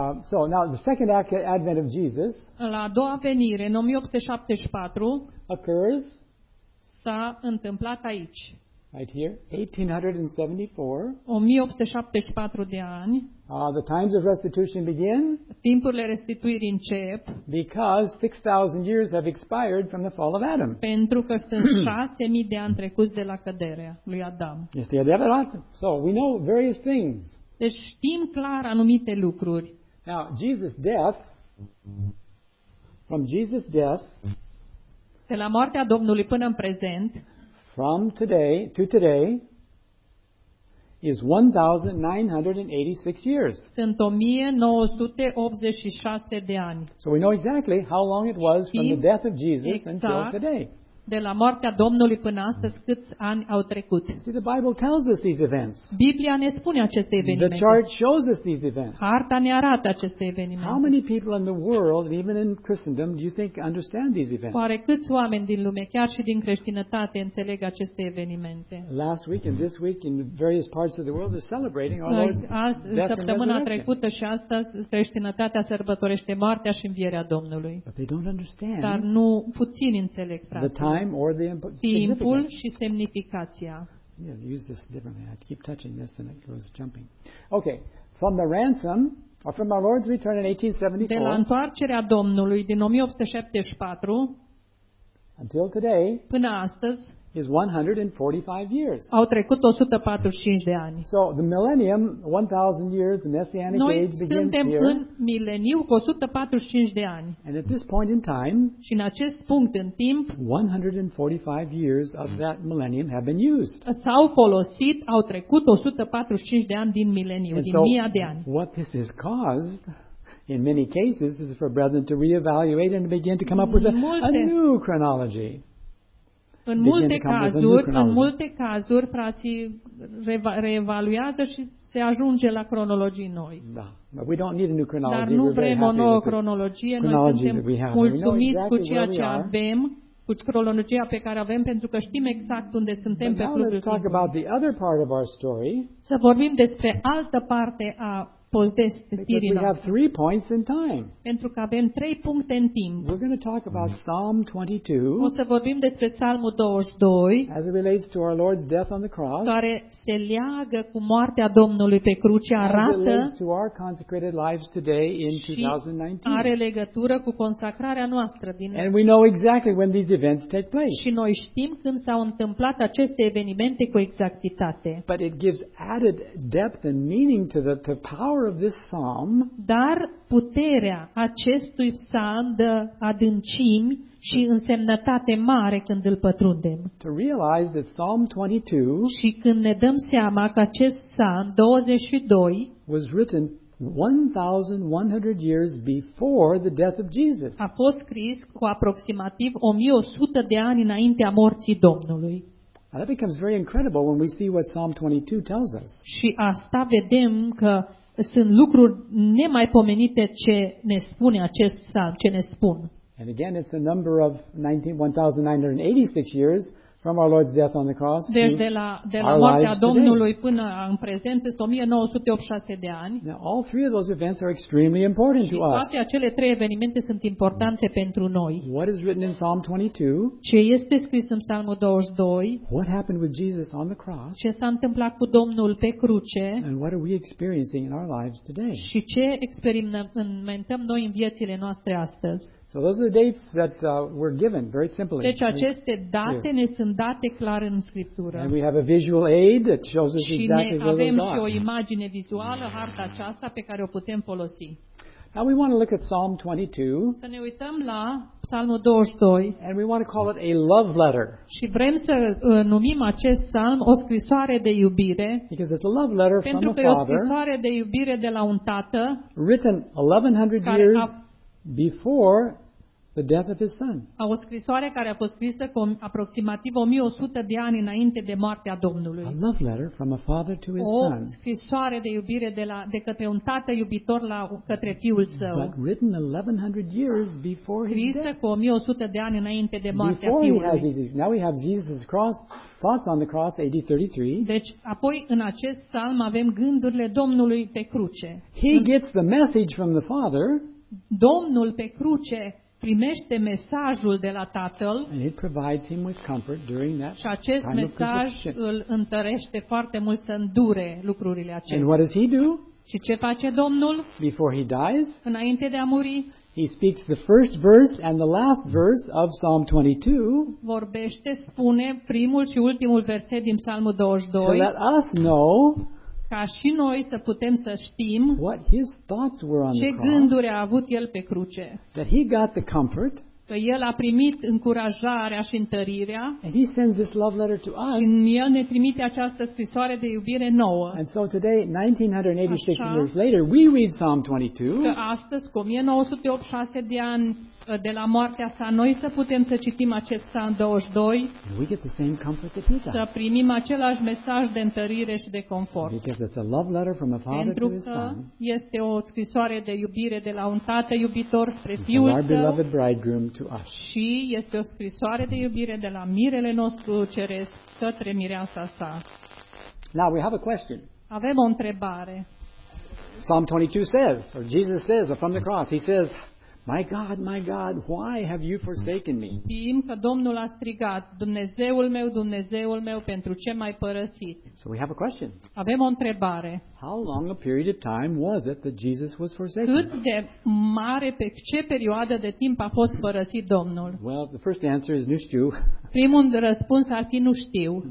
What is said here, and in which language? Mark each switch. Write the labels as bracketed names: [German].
[English] So now the second advent of Jesus. [Romanian] La a doua venire, în 1874, [English] occurs. [Romanian] S-a întâmplat aici. [English] Right here, 1874. [Romanian] 1874 de ani. [English] The times of restitution begin. [Romanian] Timpurile restituirii încep. [English] Because 6,000 years have expired from the fall of Adam. [Romanian] Pentru că sunt 6,000 de ani trecuți de la căderea lui Adam. Este adevărat. [English] So we know various things. [Romanian] Deci știm clar anumite lucruri. [English] Now Jesus' death. From Jesus' death. [Romanian] De la moartea Domnului până în prezent. [English] From today to today is 1986 years. [Romanian] Sunt 1986 de ani. [English] So we know exactly how long it was from the death of Jesus until today. [Romanian] De la moartea Domnului până astăzi câți ani au trecut? [English] See, the Bible tells us these events. [Romanian] Biblia ne spune aceste evenimente. [English] The chart shows us these events. [Romanian] Harta ne arată aceste evenimente. [English] How many people in the world, even in Christendom, do you think understand these events? [Romanian] Oare câți oameni din lume, chiar și din creștinătate, înțeleg aceste evenimente? [English] Last week and this week in various parts of the world are celebrating our Lord's death and resurrection. [Romanian] Săptămâna trecută și astăzi creștinătatea sărbătorește moartea și învierea Domnului. [English] But they don't understand. [Romanian] Dar nu puțin înțeleg, frate. [English] Or the [Romanian] timpul și semnificația. [English] Yeah, use this differently. I keep touching this and it goes jumping. Okay, from the ransom or from our Lord's return in 1874. [Romanian] De la întoarcerea Domnului din 1874. [English] Until today. [Romanian] Până astăzi. [English] Is 145 years. [Romanian] Au trecut 145 de ani. [English] So the millennium, 1,000 years, the messianic [Romanian] noi [English] age begins here. [Romanian] Noi suntem în mileniu cu 145 de ani. [English] And at this point in time, [Romanian] și în acest punct în timp, [English] 145 years of that millennium have been used. [Romanian] S-au folosit, au trecut 145 de ani din mileniu, [English] and [Romanian] din [English] so [Romanian] mia de ani. [English] What this has caused in many cases is for brethren to reevaluate and begin to come up with a new chronology. [Romanian] În multe cazuri, frații reevaluează și se ajunge la cronologii noi. [English] Da. We don't need a new chronology. [Romanian] Dar nu vrem o nouă cronologie, noi suntem mulțumiți [English] exactly [Romanian] cu ceea ce avem. cu cronologia pe care avem pentru că știm exact unde suntem pe propriu. [English] Let's talk about the other part of our story. [Romanian] Să vorbim despre altă parte a povestirii noastre. [English] We have three points in time. [Romanian] Pentru că avem trei puncte în timp. [English] We're going to talk about Psalm 22. [Romanian] O să vorbim despre Psalmul 22. [English] As it relates to our Lord's death on the cross. [Romanian] Care se leagă cu moartea Domnului pe cruce, arată. [English] As it relates to our consecrated lives today in 2019. [Romanian] Are legătură cu consacrarea noastră din. [English] And we know exactly when these events take place. [Romanian] Și noi știm când s-au întâmplat aceste evenimente cu exactitate. [English] But it gives added depth and meaning to the power of this psalm. [Romanian] Dar puterea acestui psalm dă adâncimi și însemnătate mare când îl pătrundem. [English] To realize that Psalm 22, [Romanian] și când ne dăm seama că acest psalm 22 [English] was written 1100 years before the death of Jesus. [Romanian] A fost scris cu aproximativ 1100 de ani înaintea morții Domnului. [English] Now that becomes very incredible when we see what Psalm 22 tells us. [Romanian] Și asta vedem că sunt lucruri nemaipomenite ce ne spune acest psalm, ce ne spun. [English] And again, it's a number of 1986 years from our Lord's death on the cross. [Romanian] Deci de la moartea Domnului până în prezent sunt 1986 de ani. [English] Now, all three of those events are extremely important to us. [Romanian] Și toate acele trei evenimente sunt importante pentru noi. [English] What is written in Psalm 22? [Romanian] Ce este scris în Psalmul 22? [English] What happened with Jesus on the cross? [Romanian] Ce s-a întâmplat cu Domnul pe cruce? [English] And what are we experiencing in our lives today? [Romanian] Și ce experimentăm noi în viețile noastre astăzi? [English] So those are the dates that were given very simply. [Romanian] Deci aceste date ne sunt date clar în Scriptură. [English] And we have a visual aid that shows us exactly where [Romanian] avem și o imagine vizuală, harta aceasta pe care o putem folosi. [English] Now we want to look at Psalm 22. [Romanian] Să ne uităm la Psalmul 22. [English] And we want to call it a love letter. [Romanian] Și vrem să numim acest psalm o scrisoare de iubire. [English] Because it's a love letter from a father. [Romanian] Pentru că e o scrisoare de iubire de la un tată. [English] Written 1100 years before the death of his son. [Romanian] O scrisoare care a fost scrisă cu aproximativ 1100 de ani înainte de moartea Domnului. [English] A love letter from a father to his son. [Romanian] O scrisoare de iubire de către un tată iubitor la către fiul său. [English] But written 1100 years before his death. [Romanian] Scrisă cu 1100 de ani înainte de moartea fiului. [English] Now we have Jesus' cross, thoughts on the cross, AD 33. [Romanian] Deci apoi în acest psalm avem gândurile Domnului pe cruce. [English] He gets the message from the father. [Romanian] Domnul pe cruce primește mesajul de la Tatăl. [English] And it provides him with comfort during that. [Romanian] Și acest mesaj îl întărește foarte mult să îndure lucrurile acestea. [English] And what does he do? [Romanian] Și ce face Domnul? [English] Before he dies, [Romanian] înainte de a muri, [English] he speaks the first verse and the last verse of Psalm 22. [Romanian] Vorbește, spune primul și ultimul verset din Psalmul 22. [English] So let us know. [Romanian] Ca și noi să putem să știm [English] what his thoughts were on [Romanian] ce [English] the cross, [Romanian] gânduri a avut el pe cruce. [English] That he got the comfort, [Romanian] că el a primit încurajarea și întărirea. [English] And he sends this love letter to us. [Romanian] Și el ne trimite această scrisoare de iubire nouă. [English] And so today, 1986 [Romanian] așa, [English] years later, we read Psalm 22. [Romanian] Că astăzi, cu 1986 de ani de la moartea sa, noi să putem să citim acest Psalm 22. [English] We get the same comfort that he does. [Romanian] Să primim același mesaj de întărire și de confort. [English] Because it's a love letter from a father to his son. [Romanian] Pentru că este o scrisoare de iubire de la un tată iubitor spre fiul său. [English] Our beloved bridegroom to us. [Romanian] Și este o scrisoare de iubire de la mirele nostru ceresc către mireasa sa. [English] Now we have a question. [Romanian] Avem o întrebare. [English] Psalm 22 says, or Jesus says from the cross, he says, my God, why have you forsaken me? [Romanian] Știm că Domnul a strigat, Dumnezeul meu, pentru ce m-ai părăsit? [English] So we have a question. [Romanian] Avem o întrebare. [English] How long a period of time was it that Jesus was forsaken? [Romanian] Cât de mare, pe ce perioadă de timp a fost părăsit Domnul? [English] Well, the first answer is [Romanian] nu știu. Primul răspuns ar fi nu știu.